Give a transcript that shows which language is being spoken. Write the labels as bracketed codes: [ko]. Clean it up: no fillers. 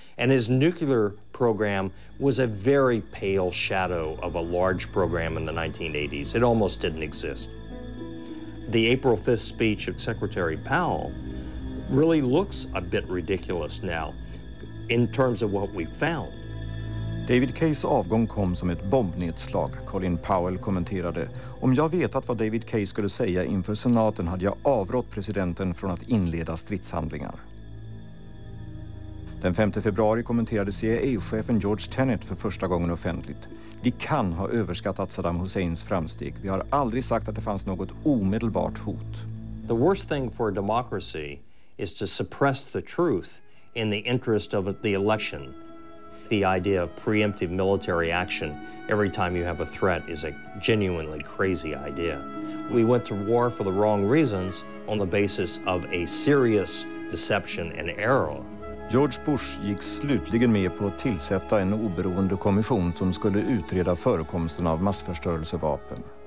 [en] And his nuclear program was a very pale shadow of a large program in the 1980s. It almost didn't exist. The April 5th speech of Secretary Powell really looks a bit ridiculous now in terms of what we found. [sv] David Kays avgång kom som ett bombnedslag. Colin Powell kommenterade: om jag vetat vad David Kays skulle säga inför senaten hade jag avrått presidenten från att inleda stridshandlingar. Den 5 februari kommenterade CIA-chefen George Tenet för första gången offentligt: vi kan ha överskattat Saddam Husseins framsteg. Vi har aldrig sagt att det fanns något omedelbart hot. [en] The worst thing for a democracy is to suppress the truth in the interest of the election. The idea of preemptive military action every time you have a threat is a genuinely crazy idea. We went to war for the wrong reasons on the basis of a serious deception and error. [sv] George Bush gick slutligen med på att tillsätta en oberoende kommission som skulle utreda förekomsten av massförstörelsevapen.